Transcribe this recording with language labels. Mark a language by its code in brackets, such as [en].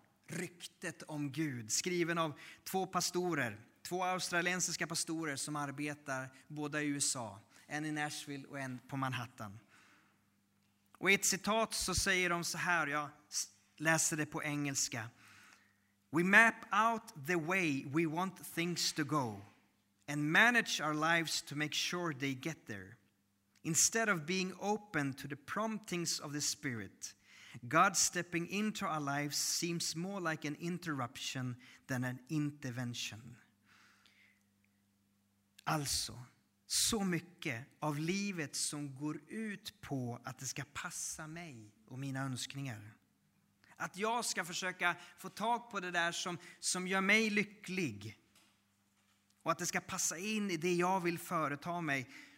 [sv] Ryktet om Gud. Skriven av två pastorer. Två australiensiska pastorer som arbetar båda i USA. En i Nashville och en på Manhattan. Och i ett citat så säger de så här. Jag läser det på engelska. [en] We map out the way we want things to go and manage our lives to make sure they get there. Instead of being open to the promptings of the Spirit, God stepping into our lives seems more like an interruption than an intervention. [sv] Alltså, så mycket av livet som går ut på att det ska passa mig och mina önskningar. Att jag ska försöka få tag på det där som gör mig lycklig. Och att det ska passa in i det jag vill företa mig.